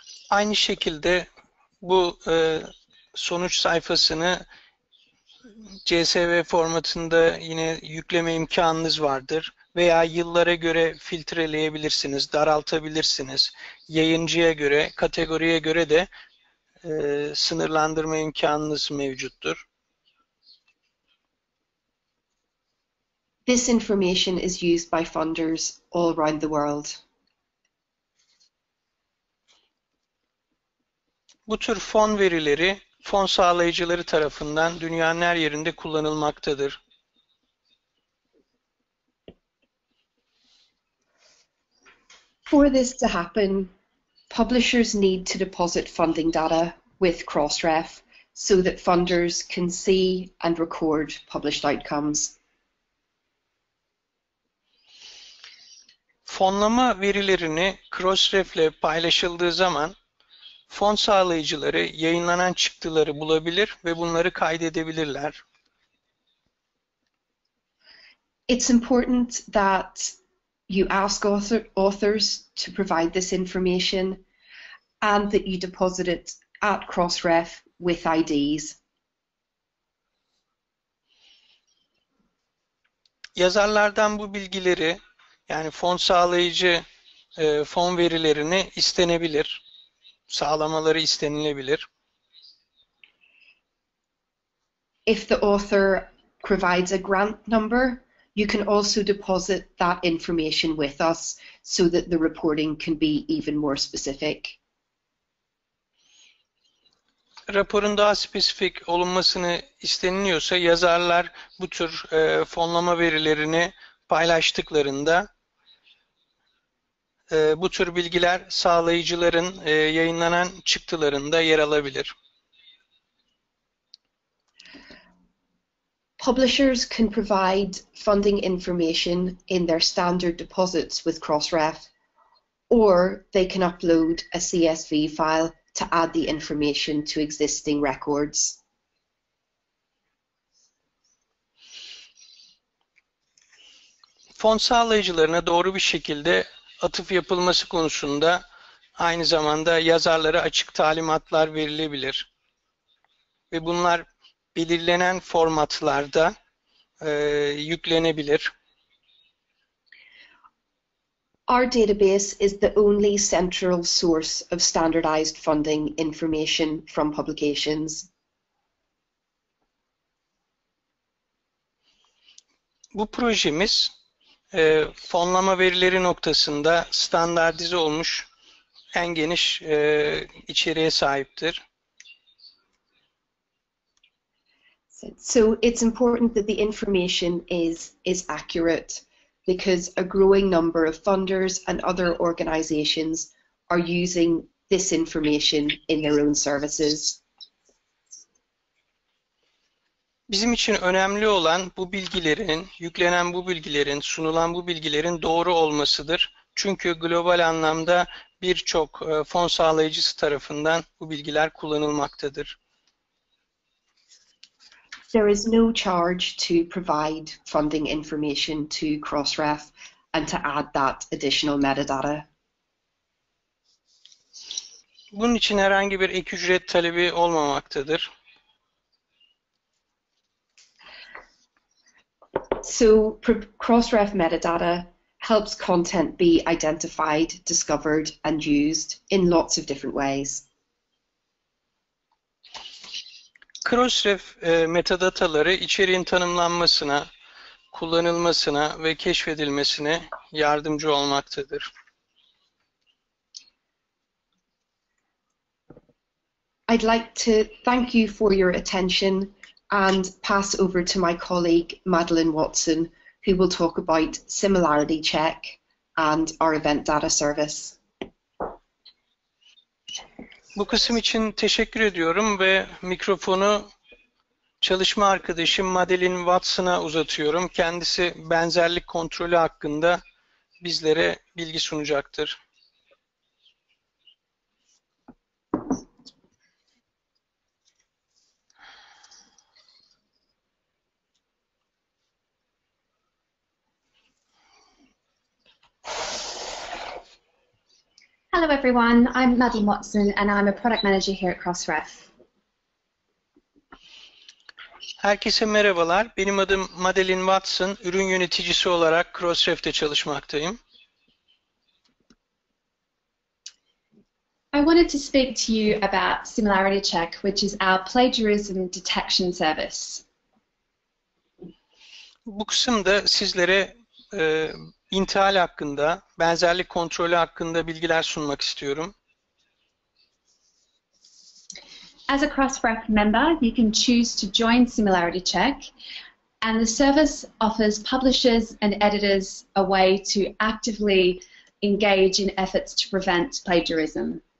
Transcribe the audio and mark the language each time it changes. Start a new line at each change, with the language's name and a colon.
Turkish: Aynı şekilde bu sonuç sayfasını CSV formatında yine yükleme imkanınız vardır. Veya yıllara göre filtreleyebilirsiniz, daraltabilirsiniz. Yayıncıya göre, kategoriye göre de sınırlandırma imkanınız mevcuttur.
English: This information is used by funders all around the world.
Turkish: Bu tür fon verileri fon sağlayıcıları tarafından dünyanın her yerinde kullanılmaktadır.
English: For this to happen, publishers need to deposit funding data with Crossref so that funders can see and record published outcomes.
Turkish: Fonlama verilerini Crossref'le paylaşıldığı zaman fon sağlayıcıları yayınlanan çıktıları bulabilir ve bunları kaydedebilirler.
English: It's important that you ask authors to provide this information and that you deposit it at Crossref with IDs.
Turkish: Yazarlardan bu bilgileri, yani fon sağlayıcı fon verilerini istenebilir. Sağlamaları istenilebilir.
English: If the author provides a grant number, you can also deposit that information with us so that the reporting can be even more specific.
Turkish: Raporun daha spesifik olunmasını isteniliyorsa yazarlar bu tür fonlama verilerini paylaştıklarında bu tür bilgiler sağlayıcıların yayınlanan çıktılarında yer alabilir.
English: Publishers can provide funding information in their standard deposits with Crossref, or they can upload a CSV file to add the information to existing records.
Turkish: Fon sağlayıcılarına doğru bir şekilde atıf yapılması konusunda aynı zamanda yazarlara açık talimatlar verilebilir. Ve bunlar belirlenen formatlarda yüklenebilir.
English: Our database is the only central source of standardized funding information from publications.
Turkish: Bu projemiz fonlama verileri noktasında standartize olmuş en geniş içeriğe sahiptir.
English: So it's important that the information is accurate because a growing number of funders and other organizations are using this information in their own services.
Turkish: Bizim için önemli olan bu bilgilerin, yüklenen bu bilgilerin, sunulan bu bilgilerin doğru olmasıdır. Çünkü global anlamda birçok fon sağlayıcısı tarafından bu bilgiler kullanılmaktadır.
English: There is no charge to provide funding information to Crossref and to add that additional metadata.
Turkish: Bunun için herhangi bir ek ücret talebi olmamaktadır.
English: So, Crossref metadata helps content be identified, discovered, and used in lots of different ways.
Turkish: Crossref metadataları içeriğin tanımlanmasına, kullanılmasına ve keşfedilmesine yardımcı olmaktadır.
English: I'd like to thank you for your attention and pass over to my colleague Madeline Watson, who will talk about similarity check and our event data service.
Turkish: Bu kısım için teşekkür ediyorum ve mikrofonu çalışma arkadaşım Madeline Watson'a uzatıyorum. Kendisi benzerlik kontrolü hakkında bizlere bilgi sunacaktır.
English: Hello everyone, I'm Madeline Watson and I'm a product manager here at Crossref.
Turkish: Herkese merhabalar. Benim adım Madeline Watson. Ürün yöneticisi olarak Crossref'te çalışmaktayım.
English: I wanted to speak to you about Similarity Check, which is our plagiarism detection service.
Turkish: Bu kısımda sizlere intihal hakkında, benzerlik kontrolü hakkında bilgiler sunmak istiyorum.
English: As a Crossref member, you can choose to join Similarity Check, and the service offers publishers and editors a way to actively engage in efforts to prevent plagiarism.